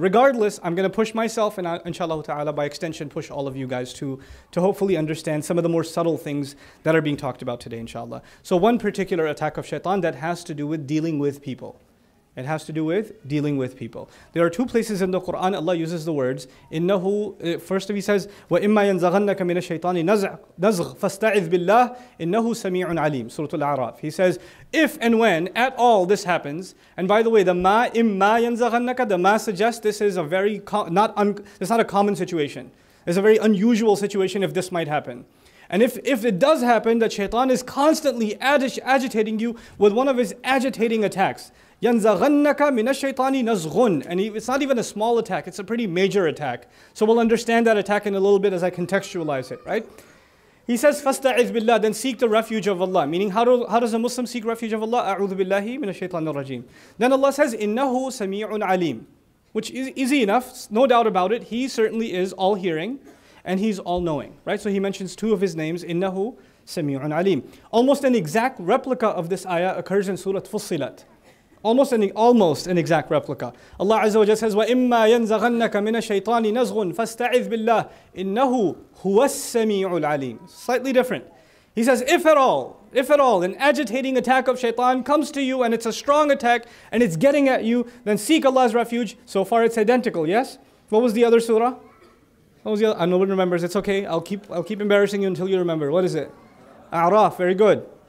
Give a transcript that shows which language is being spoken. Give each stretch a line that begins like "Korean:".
English: Regardless, I'm going to push myself and inshallah ta'ala by extension push all of you guys to hopefully understand some of the more subtle things that are being talked about today inshallah. So one particular attack of shaitan that has to do with dealing with people. It has to do with dealing with people. There are two places in the Quran Allah uses the words innahu. First of he says
Arabic: وَإِمَّا يَنْزَغَنَّكَ مِنَ الشَّيْطَانِ نَزْغْ فَاسْتَعِذْ بِاللَّهِ إِنَّهُ سَمِيعٌ عَلِيمٌ Surah Al-A'raf.
English: He says if and when at all this happens, and by the way, the ma imma yanzaghannaka, the ma suggests this is a very not a common situation. It's a very unusual situation if this might happen. And if it does happen that shaitan is constantly agitating you with one of his agitating attacks,
Arabic: يَنْزَغَنَّكَ مِنَ الشَّيْطَانِ نَزْغٌ
English: And it's not even a small attack, it's a pretty major attack. So we'll understand that attack in a little bit as I contextualize it, right? He says,
Arabic: فَاسْتَعِذْ بِاللَّهِ
English: Then seek the refuge of Allah. Meaning, how does a Muslim seek refuge of Allah?
Arabic: أَعُوذُ بِاللَّهِ مِنَ الشَّيْطَانِ الرَّجِيمِ
English: Then Allah says,
Arabic: إِنَّهُ سَمِيعٌ عَلِيمٌ
English: Which is easy enough, no doubt about it. He certainly is all-hearing and he's all-knowing, right? So he mentions two of his names,
Arabic: إِنَّهُ سَمِيعٌ عَلِيمٌ
English: Almost an exact replica of this ayah occurs in Surah Fussilat. Almost an exact replica. Allah Azza wa Jalla says,
Arabic: وَإِمَّا يَنْزَغَنَّكَ مِنَ الشَّيْطَانِ نَزْغٌ فَاسْتَعِذْ بِاللَّهِ إِنَّهُ هُوَ السَّمِيعُ الْعَلِيمُ
English: Slightly different. He says, if at all, an agitating attack of shaitan comes to you and it's a strong attack and it's getting at you, then seek Allah's refuge. So far it's identical, yes? What was the other surah? No one remembers, it's okay. I'll keep embarrassing you until you remember. What is it? A'raf, very good.